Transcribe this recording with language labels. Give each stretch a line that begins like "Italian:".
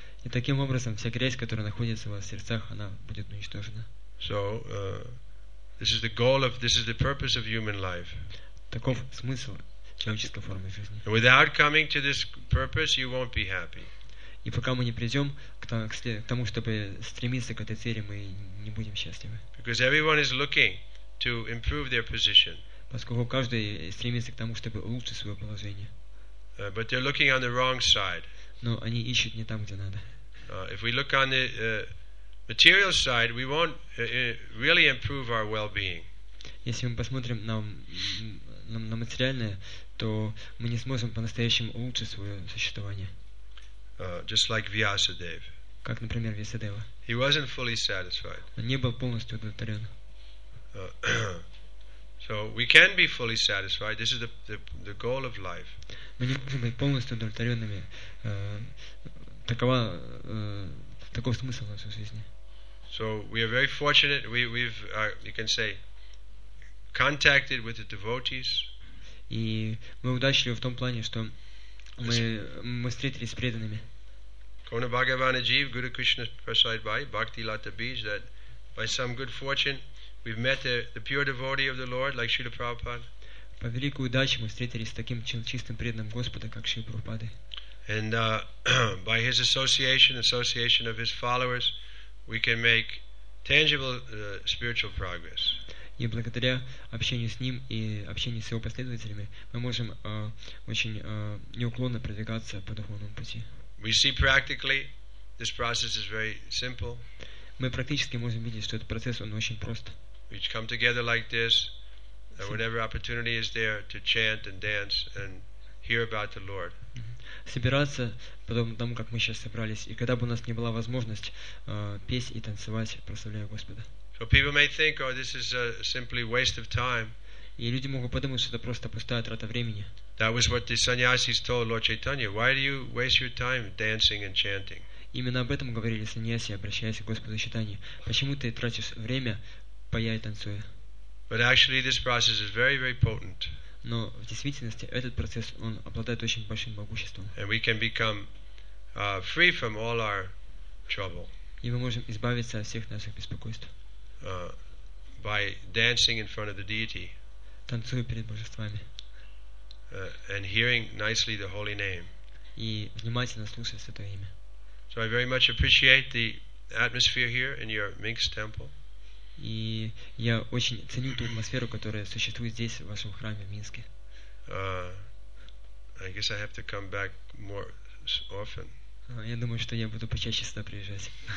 Russian: И таким образом вся грязь, которая находится у вас в сердцах, она будет уничтожена.
English: So, this is the goal of, this is the purpose of human life.
Russian: Таков смысл человеческой формы жизни.
English: Without coming to this purpose, you won't be happy.
Russian: И пока мы не придем к тому, чтобы стремиться к этой цели, мы не будем счастливы.
English: Because everyone is looking to improve their position.
Russian: Поскольку каждый стремится к тому, чтобы улучшить свое положение.
English: But they're looking on the wrong side.
Russian: Но они ищут не там, где надо.
English: If we look on the material side, we won't really improve our well-being.
Russian: Если мы посмотрим на материальное, то мы не сможем по-настоящему улучшить свое существование.
English: Just like Vyasadev.
Russian: Как, например, Vyasadeva.
English: He wasn't fully satisfied.
Russian: Он не был полностью удовлетворен.
English: So we can be fully satisfied. This is the goal of life.
Russian: Мы не можем быть полностью удовлетворенными. Такова таков смысл нашей жизни.
English: So we are very fortunate. You can say, contacted with the devotees.
Russian: И мы удачливы в том плане, что мы встретились с преданными.
English: Kona Bhagavana Jeev, Guru Krishna Prasad Bhai, Bhakti Lata Bij, that by some good fortune we've met the pure devotee of the Lord, like Srila Prabhupada.
Russian: По великой удаче мы встретились с таким чистым преданным Господа, как Шри Прабхупады.
English: And by his association of his followers, we can make tangible spiritual progress.
Russian: И благодаря общению с ним и общению с его последователями мы можем очень неуклонно продвигаться по духовному пути.
English: We see practically this process is very simple.
Russian: Мы практически можем видеть, что этот процесс он очень прост.
English: We come together like this, whenever opportunity is there to chant and dance and hear about the Lord.
Russian: Собираться потом тому, как мы сейчас собрались, и когда бы у нас не была возможность петь и танцевать, прославляя Господа.
English: So people may think, oh, this is simply waste of time.
Russian: И люди могут подумать, что это просто пустая трата времени.
English: That was what the sannyasis told Lord Chaitanya. Why do you waste your time dancing and chanting?
Russian: Именно об этом говорили сannyasi, обращаясь к Господу Чайтанье. Почему ты тратишь время, поя и танцуя?
English: But actually, this process is very, very potent.
Russian: Но в действительности этот процесс он обладает очень большим могуществом.
English: And we can become free from all our trouble.
Russian: И мы можем избавиться от всех наших беспокойств.
English: By dancing in front of the deity.
Russian: Танцуя перед божествами.
English: And hearing nicely the holy name.
Russian: И внимательно слушая святое имя.
English: So I very much appreciate the atmosphere here in your Minx temple.
Russian: И я очень ценю ту атмосферу, которая существует здесь в вашем храме в Минске.
English: I guess I have to come back more often.
Russian: Я думаю, что я буду почаще сюда приезжать.